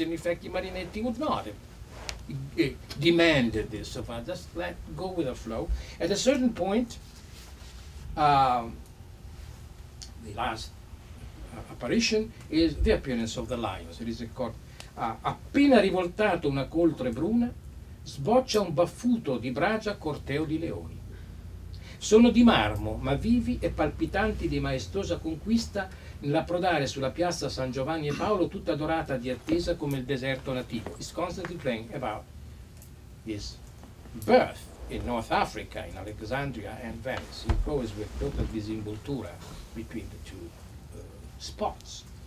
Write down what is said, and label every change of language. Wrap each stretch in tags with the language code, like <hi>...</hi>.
<en>And in fact, Marinetti would not have demanded this. So far, just let go with the flow. At a certain point, the last apparition is the appearance of the lions. It is a court.</en> <it>Appena rivoltato una coltre bruna, sboccia un baffuto di bragia corteo di leoni. Sono di marmo, ma vivi e palpitanti di maestosa conquista nell'approdare sulla piazza San Giovanni e Paolo, tutta dorata di attesa come il deserto nativo.</it> <en>It's constantly playing about his birth in North Africa, in Alexandria and Venice. It goes with total disinvoltura between the two spots.</en>